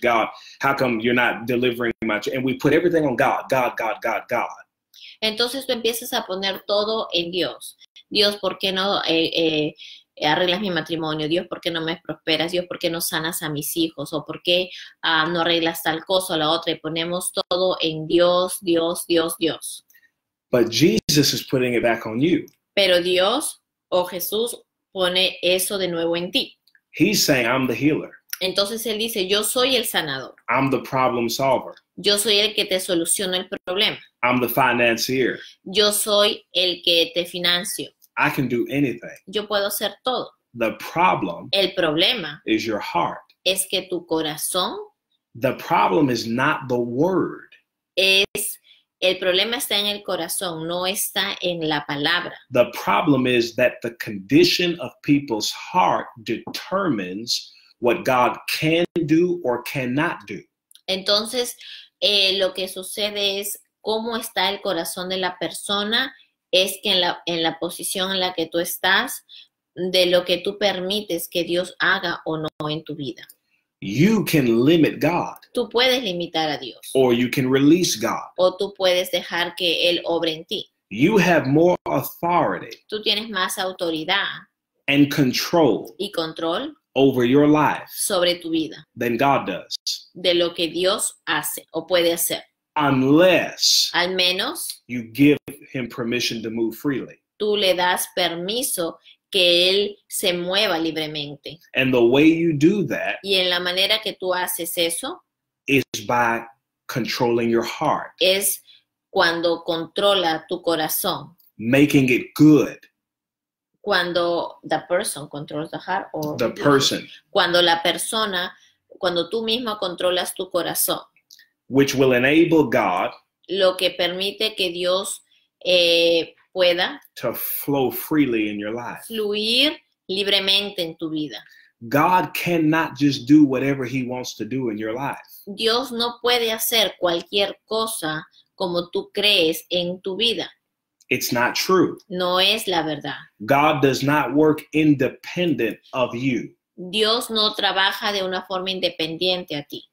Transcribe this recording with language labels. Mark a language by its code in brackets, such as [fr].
[en] God, how come you're not delivering my ch-? And we put everything on God, God, God, God, God. [es] Entonces tú empiezas a poner todo en Dios. Dios, ¿por qué no arreglas mi matrimonio? Dios, ¿por qué no me prosperas? Dios, ¿por qué no sanas a mis hijos? ¿O por qué no arreglas tal cosa o la otra? Y ponemos todo en Dios, Dios, Dios, Dios. [en] But Jesus is putting it back on you. [es] Pero Dios o Jesús pone eso de nuevo en ti. [en] He's saying, I'm the healer. [es] Entonces él dice, yo soy el sanador. [en] I'm the problem solver. [es] Yo soy el que te soluciona el problema. [en] I'm the financier. [es] Yo soy el que te financio. [en] I can do anything. [es] Yo puedo hacer todo. [en] The problem, [es] el problema, [en] is your heart. [es] Es que tu corazón. [en] The problem is not the word. [es] Es el problema está en el corazón, no está en la palabra. [en] The problem is that the condition of people's heart determines what God can do or cannot do. [es] Entonces, lo que sucede es cómo está el corazón de la persona es que en la posición en la que tú estás de lo que tú permites que Dios haga o no en tu vida. [en] You can limit God. [es] Tú puedes limitar a Dios. [en] Or you can release God. [es] O tú puedes dejar que él obre en ti. [en] You have more authority. [es] Tú tienes más autoridad. [en] And control. [es] Y control. [en] Over your life. [es] Sobre tu vida. [en] Than God does. [es] De lo que Dios hace o puede hacer. [en] Unless. [es] Al menos. [en] You give him permission to move freely. [es] Tú le das permiso que él se mueva libremente. [en] And the way you do that. [es] Y en la manera que tú haces eso. [en] Is by controlling your heart. [es] Es cuando controla tu corazón. [en] Making it good. [es] Cuando [en] the person controls the heart or the person. [es] Cuando la persona, cuando tú mismo controlas tu corazón. [en] Which will enable God. [es] Lo que permite que Dios pueda. [en] To flow freely in your life. [es] Fluir libremente en tu vida. [en] God cannot just do whatever he wants to do in your life. [es] Dios no puede hacer cualquier cosa como tú crees en tu vida. [en] It's not true. [es] No es la verdad. [en] God does not work independent of you. [es] Dios no trabaja de una forma independiente a ti.